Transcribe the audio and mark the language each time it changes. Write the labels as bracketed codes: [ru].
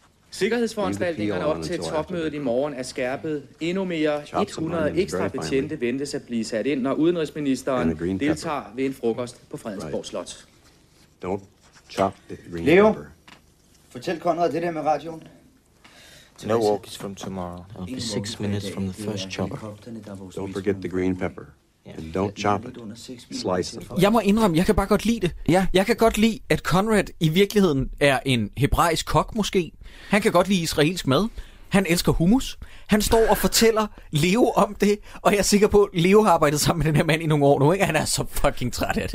[da] Sikkerhedsforanstaltningerne op til topmødet i morgen er skærpet. Endnu mere 100 ekstra betjente ventes at blive sat ind, når udenrigsministeren deltager ved en frokost på Frederiksborg Slot. [en] Don't chop the green Leo, pepper. [da] Fortæl Conrad det der med radioen. [en] No walk is from tomorrow. It'll be 6 minutes from the first chopper. Don't forget the green pepper. And don't chop it. Slice them. [da] Jeg må indrømme, jeg kan bare godt lide det. Ja. Jeg kan godt lide, at Conrad i virkeligheden er en hebraisk kok måske. Han kan godt lide israelsk mad. Han elsker hummus. Han står og fortæller Leo om det, og jeg er sikker på, at Leo har arbejdet sammen med den her mand i nogle år nu, ikke? Han er så fucking træt af det.